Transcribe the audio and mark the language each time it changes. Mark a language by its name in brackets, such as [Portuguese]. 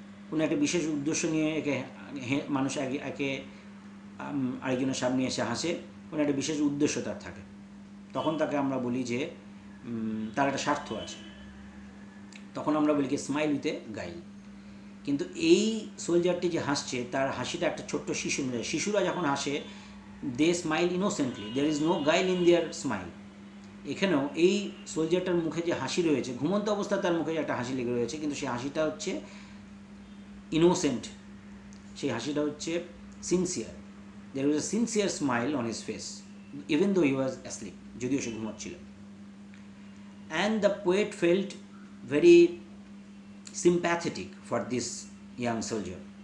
[Bangla] Kono ekta bishesh uddeshyo niye eke manush eke arekjoner samne eshe hashe, kono ekta bishesh uddeshyo tar thake, tokhon take amra boli je তার একটা স্বার্থ আছে, তখন আমরা বলি কি [English] Smile with a guile. [Bangla] কিন্তু এই সোলজারটি যে হাসছে তার হাসিটা একটা ছোট্ট শিশু মিলে, শিশুরা যখন হাসে [English] They smile innocently, there is no guile in their smile. [Bangla] এখানেও এই সোলজারটার মুখে যে হাসি রয়েছে, ঘুমন্ত অবস্থায় তার মুখে একটা হাসি লেগে রয়েছে, কিন্তু সেই হাসিটা হচ্ছে ইনোসেন্ট, সেই হাসিটা হচ্ছে sincere. [English] there was a sincere smile on his face even though he was asleep, [Bangla] যদিও সে ঘুমাচ্ছিল। [English] And the poet felt very sympathetic for this young soldier.